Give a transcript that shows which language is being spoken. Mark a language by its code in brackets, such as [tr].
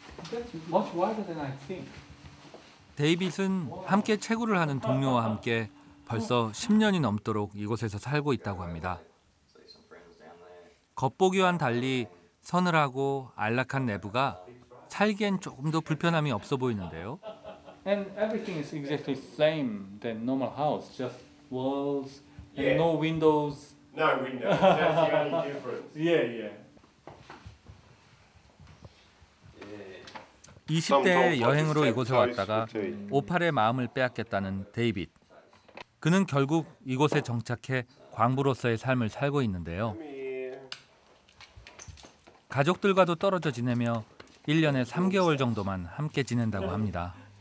[en] That's much wider than I think. [ko] 데이빗은 함께 채굴을 하는 동료와 함께 벌써 10년이 넘도록 이곳에서 살고 있다고 합니다. 겉보기와는 달리 서늘하고 안락한 내부가 살기엔 조금 더 불편함이 없어 보이는데요. [en] And everything is exactly same than normal house, just walls and yeah. No windows. No windows. That's the only difference. Yeah. [ko] 20대에 여행으로 이곳에 왔다가 오팔의 마음을 빼앗겼다는 데이빗. 그는 결국 이곳에 정착해 광부로서의 삶을 살고 있는데요. 가족들과도 떨어져 지내며 1년에 3개월 정도만 함께 지낸다고 합니다.